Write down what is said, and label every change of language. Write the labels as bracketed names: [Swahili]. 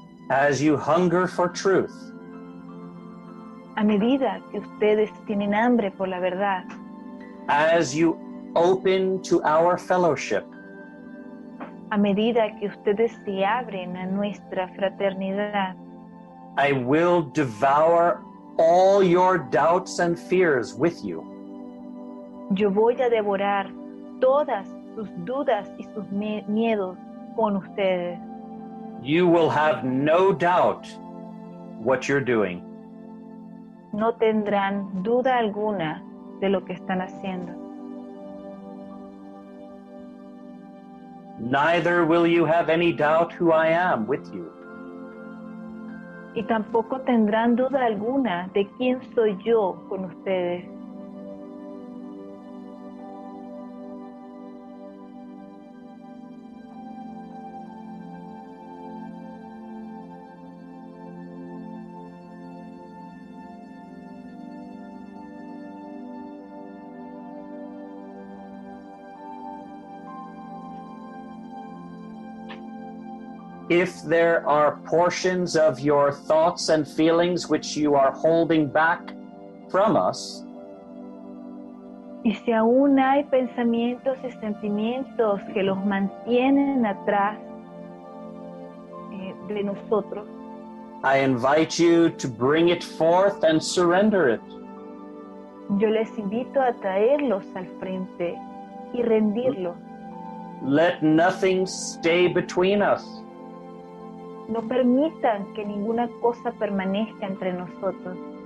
[English] as you hunger for truth, [Spanish] a medida que ustedes tienen hambre por la verdad, [English] as you open to our fellowship, [Spanish] a medida que ustedes se abren a nuestra fraternidad, [English] I will devour all your doubts and fears with you. [Spanish] Yo voy a devorar todas sus dudas y sus miedos con ustedes. [English] You will have no doubt what you're doing. [Spanish] No tendrán duda alguna de lo que están haciendo. [English] Neither will you have any doubt who I am with you. [Spanish] Y tampoco tendrán duda alguna de quién soy yo con ustedes. [English] If there are portions of your thoughts and feelings which you are holding back from us, [Spanish] y si aún hay pensamientos y sentimientos que los mantienen atrás de nosotros, [English] I invite you to bring it forth and surrender it. [Spanish] Yo les invito a traerlos al frente y rendirlos. [English] Let nothing stay between us. [Spanish] No permitan que ninguna cosa permanezca entre nosotros.